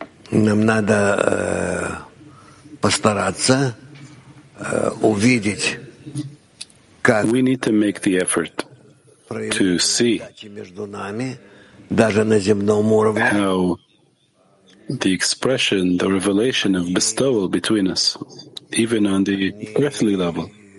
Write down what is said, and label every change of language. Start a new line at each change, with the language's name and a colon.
Russian: Нам надо постараться увидеть, как.
English: We need to make the effort to see.
Russian: Между нами, даже на земном уровне.
English: How the expression, the revelation of bestowal between us, even on the earthly level.